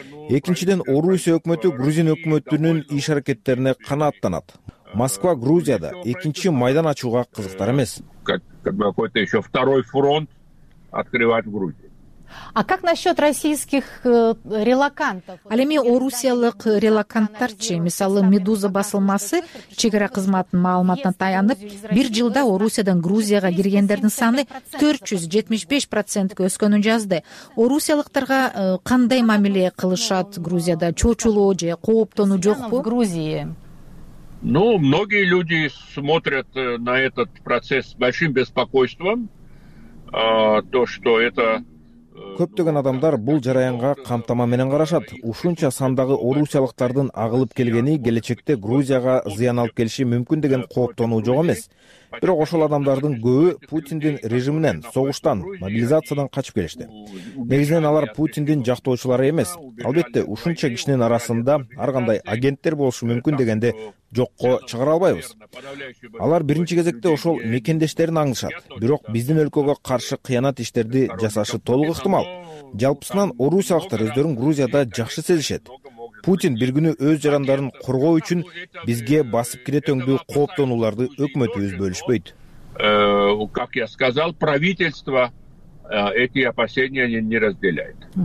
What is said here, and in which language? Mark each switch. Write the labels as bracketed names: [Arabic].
[Kyrgyz] Экинчиден, Орусия өкмөтү грузин өкмөтүнүн иш аракеттерине канааттанат. Москва Грузияда экинчи майдан ачууга кызыктар эмес. [Russian] Какой-то еще второй фронт открывать в Грузии. А как насчет российских релакантов? [Kyrgyz] Ал эми орусиялык релаканттар чи? Мисалы, Медуза басылмасы чек ара кызматынын маалыматына таянып, бир жылда Орусиядан Грузияга киргендердин саны 475% өскөнүн жазды. Орусиялыктарга кандай мамиле кылышат Грузияда? Чочулоо же кооптонуу жокпу? [Russian] Ну, многие люди смотрят на этот процесс с большим беспокойством. То, что это... [Kyrgyz] Көптөгөн адамдар бул жараянга камтама менен карашат. Ушунча сандагы орусиялыктардын агылып келгени келечекте Грузияга зыян алып келиши мүмкүн деген кооптонуу жок эмес. Бирок ошол адамдардын көбү Путиндин режиминен, согуштан, мобилизациядан качып келишти. Негизинен алар Путиндин жактоочулары эмес. Албетте, ушунча кишинин арасында ар кандай агенттер болушу мүмкүн дегенде жокко чыгара албайбыз. Алар биринчи кезекте ошол мекендештерин аңдышат. Бирок биздин өлкөгө каршы кыянат иштерди жасашы толук ыктымал. Жалпысынан орусиялыктар өздөрүн Грузияда жакшы сезишет. Путин бир күнү өз жарандарын коргоо үчүн бизге басып кире төңдүү кооптонууларды өкмөтүбүз бөлүшпөйт. [Russian] Как я сказал, правительство эти опасения не разделяет.